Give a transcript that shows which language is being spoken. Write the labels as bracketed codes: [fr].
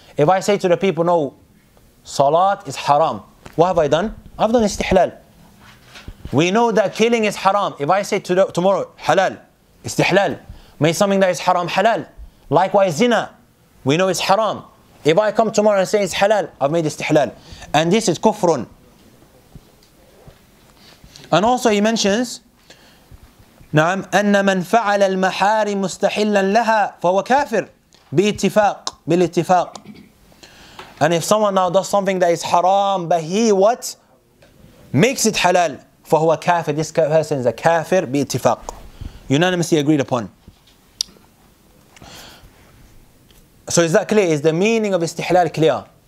[en] If I say to the people, no, salat is haram, what have I done? I've done istihlal. We know that killing is haram. If I say tomorrow, halal, istihlal, make something that is haram halal. Likewise, zina, we know it's haram. If I come tomorrow and say it's halal, I've made istihlal. And this is kufrun. And also he mentions, [ar] نعم, أن من فعل المحارم مستحلا لها فهو كافر باتفاق, بالاتفاق. [en] And if someone now does something that is haram, but he what? Makes it halal. [ar] فهو كافر. [en] This person is a kafir باتفاق. Unanimously agreed upon. So is that clear? Is the meaning of istihlal clear?